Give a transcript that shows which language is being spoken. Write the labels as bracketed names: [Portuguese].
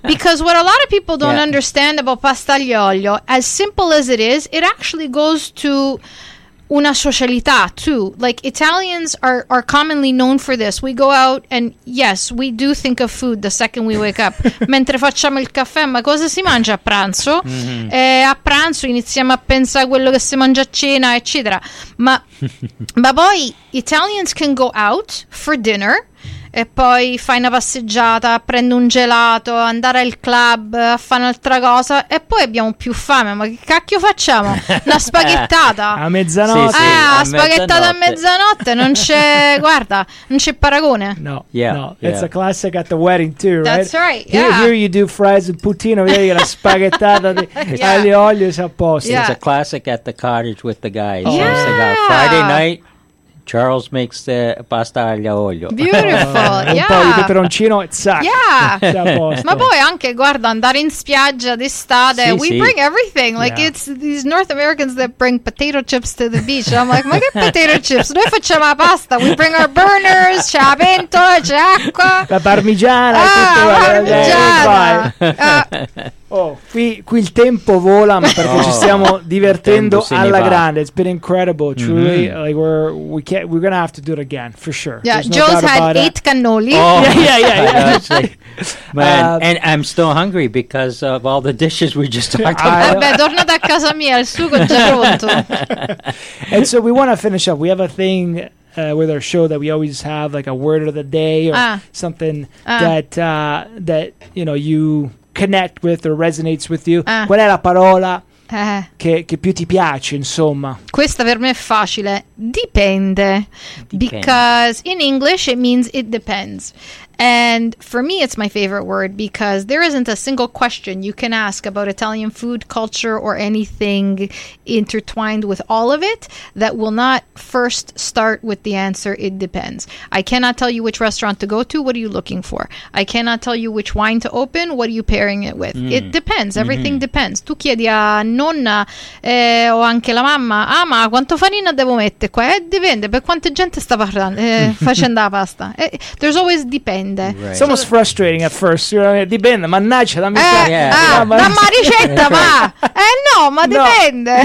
[English] Because what a lot of people don't understand about pasta agli olio, as simple as it is, it actually goes to [Italian] una socialità [English] too. Like Italians are commonly known for this. We go out and yes, we do think of food the second we wake up. [Italian] Mentre facciamo il caffè, ma cosa si mangia a pranzo? A pranzo iniziamo a pensare a quello che si mangia a cena, eccetera. Ma poi [English] Italians can go out for dinner [Italian] e poi fai una passeggiata, prendo un gelato, andare al club, a fare un'altra cosa e poi abbiamo più fame. Ma che cacchio facciamo? Una spaghettata a mezzanotte. Sì, sì, a spaghettata mezzanotte. A mezzanotte non c'è, guarda, non c'è paragone. [English] No, yeah, no, yeah. It's a classic at the wedding too, right? That's right. Here, yeah, here you do fries and poutine, [Italian] vedi la spaghettata di yeah, aglio olio si apposta. [English] Yeah. It's a classic at the cottage with the guys. Oh. So yeah, it's like a Friday night. Charles makes the pasta aglio olio. Beautiful, yeah. [Italian] Un po' di peperoncino e sac. [English] Yeah. [Italian] Ma poi anche, guarda, andare in spiaggia d'estate, sì, we sì, [English] bring everything. Like, yeah, it's these North Americans that bring potato chips to the beach. I'm like, [Italian] ma che potato chips? Noi facciamo la pasta. [English] We bring our burners, [Italian] c'è la pentola, c'è acqua. La parmigiana. Ah, parmigiana. Oh, qui il tempo vola, ma perché oh, ci stiamo divertendo alla grande. [English] It's been incredible, truly. Mm-hmm. Like we're gonna have to do it again for sure. Yeah, no, Joe's had 8 cannoli. Oh. Yeah. Man, and I'm still hungry because of all the dishes we just talked about. [Italian] Vabbè, torna da casa mia, il sugo è già pronto. [English] And so we want to finish up. We have a thing with our show that we always have, like a word of the day or something that you know you connect with or resonates with you. [Italian] Qual è la parola che più ti piace, insomma? Questa per me è facile. Dipende. [English] Because in English it means it depends. And for me it's my favorite word because there isn't a single question you can ask about Italian food, culture, or anything intertwined with all of it that will not first start with the answer, it depends. I cannot tell you which restaurant to go to, what are you looking for? I cannot tell you which wine to open, what are you pairing it with? Mm. It depends, everything depends. [Italian] Tu chiedi a nonna o anche la mamma, ah ma quanto farina devo mettere qua? Dipende, per quanta gente sta facendo la pasta? [English] There's always depends. Right. It's almost frustrating at first. [Italian] Dipende, mannaggia, dammi dammi ricetta, va! No, ma dipende!